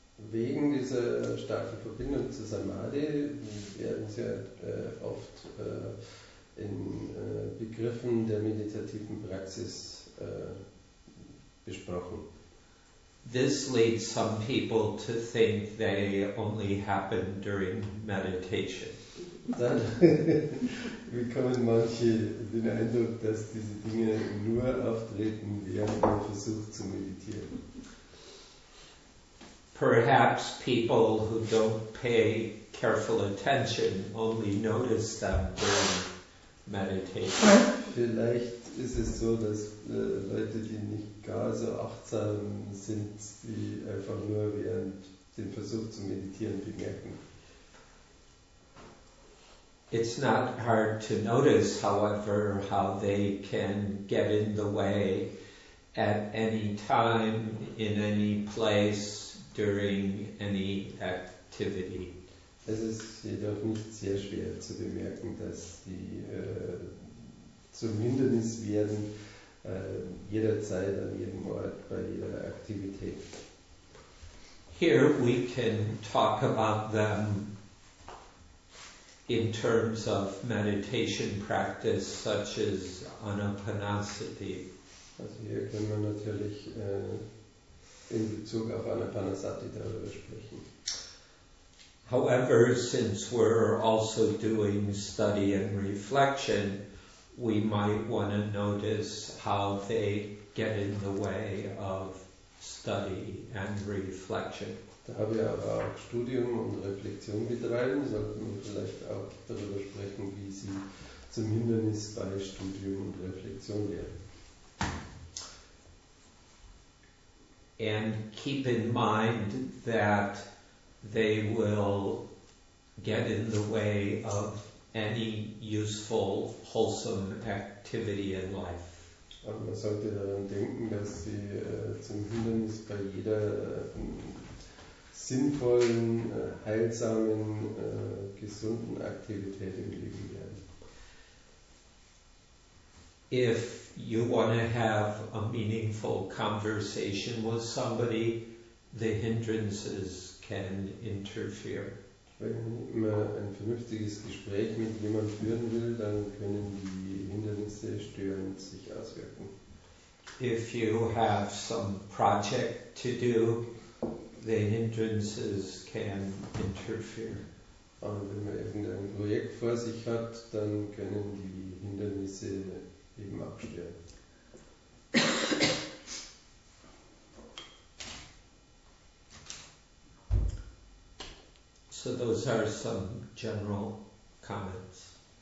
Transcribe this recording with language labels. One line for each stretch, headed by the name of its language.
German: Wegen dieser starken Verbindung zu Samadhi werden sie oft in Begriffen der meditativen Praxis besprochen.
English: This leads some people to think they only happen during meditation.
German: Dann bekommen manche den Eindruck, dass diese Dinge nur auftreten, während man versucht zu meditieren.
English: Perhaps people who don't pay careful attention only notice them during meditation.
German: Vielleicht ist es so, dass Leute, die nicht gar so achtsam sind, die einfach nur während dem Versuch zu meditieren bemerken.
English: It's not hard to notice, however, how they can get in the way at any time, in any place, during any activity.
German: Es ist jedoch nicht sehr schwer zu bemerken, dass sie zum Hindernis werden, jederzeit, an jedem Ort, bei jeder Aktivität.
English: Here we can talk about them in terms of meditation practice such as anapanasati.
German: Also hier können wir natürlich in Bezug auf anapanasati darüber sprechen.
English: However, since we're also doing study and reflection, we might want to notice how they get in the way of study and reflection.
German: Da habe ich aber auch Studium und Reflexion mit rein, sollten wir vielleicht auch darüber sprechen, wie sie zum Hindernis bei Studium und Reflexion werden.
English: And keep in mind that they will get in the way of any useful, wholesome activity in life.
German: Aber man sollte daran denken, dass sie zum Hindernis bei jeder sinnvollen, heilsamen, gesunden Aktivität im Leben werden.
English: If you want to have a meaningful conversation with somebody, the hindrances can interfere.
German: Wenn man ein vernünftiges Gespräch mit jemandem führen will, dann können die Hindernisse störend sich auswirken.
English: If you have some project to do, the hindrances can interfere.
German: Aber wenn man irgendein Projekt vor sich hat, dann können die Hindernisse eben abstellen.
English: So those are some general comments.